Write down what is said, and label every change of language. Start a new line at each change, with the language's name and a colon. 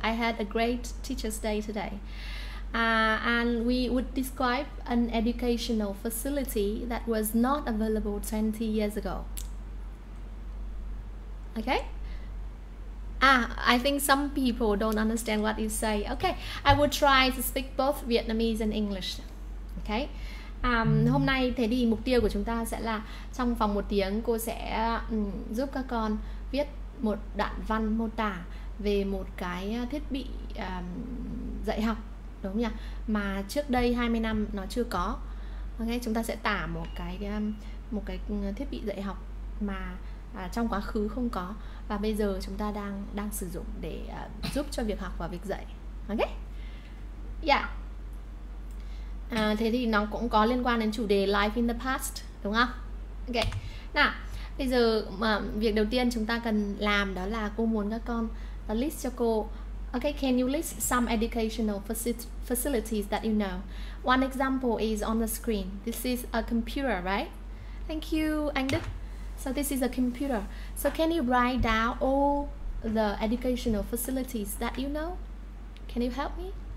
English: I had a great teacher's day today. And we would describe an educational facility that was not available 20 years ago. Okay? I think some people don't understand what you say. Okay, I will try to speak both Vietnamese and English. Okay?
Vietnamese: Hôm nay thế thì mục tiêu của chúng ta sẽ là trong vòng một tiếng cô sẽ giúp các con viết một đoạn văn mô tả về một cái thiết bị dạy học, đúng không nhỉ? Mà trước đây 20 năm nó chưa có. Okay, chúng ta sẽ tả một cái thiết bị dạy học mà trong quá khứ không có và bây giờ chúng ta đang sử dụng để giúp cho việc học và việc dạy. Okay? Yeah. Thế thì nó cũng có liên quan đến chủ đề
English: life in the past,
Vietnamese: đúng không? Ok, nào, bây giờ mà việc đầu tiên chúng ta cần làm đó là cô muốn các con list cho cô.
English: Ok, can you list some educational facilities that you know? One example is on the screen. This is a computer, right? Thank you, anh Đức. So this is a computer. So can you write down all the educational facilities that you know? Can you help me?